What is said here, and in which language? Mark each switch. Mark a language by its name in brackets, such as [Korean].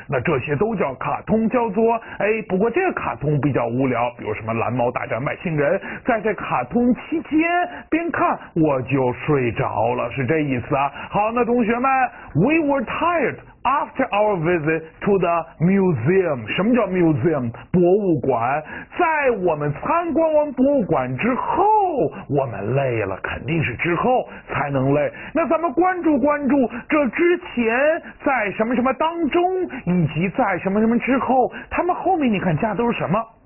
[Chinese] 那这些都叫卡通，叫做哎。不过这个卡通比较无聊，比如什么蓝猫大战外星人，在这卡通期间边看我就睡着了，是这意思啊。好，那同学们 [English] ，We were tired after our visit to the museum。 [Chinese] 什么叫 museum？ 博物馆。在我们参观完博物馆之后，我们累了，肯定是之后才能累。那咱们关注关注这之前在什么什么当中以及在什么什么之后，他们后面你看加都是什么？